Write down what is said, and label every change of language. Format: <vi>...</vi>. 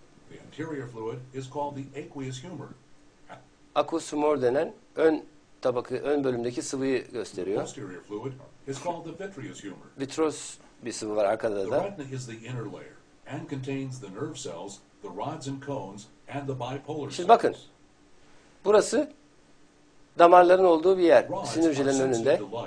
<en>The anterior fluid is called the aqueous humor.</en> <tr>Aqueous humor denen ön tabakı, ön bölümdeki sıvıyı gösteriyor.</tr> <en>Posterior fluid is called the vitreous humor.</en> <tr>Vitreous bir sıvı var arkada da.</tr> <en>The retina is the inner layer and contains the nerve cells, the rods and cones and the bipolar cells.</en> <tr>Şimdi bakın. Burası damarların olduğu bir yer. Sinir hücrelerinin önünde.</tr>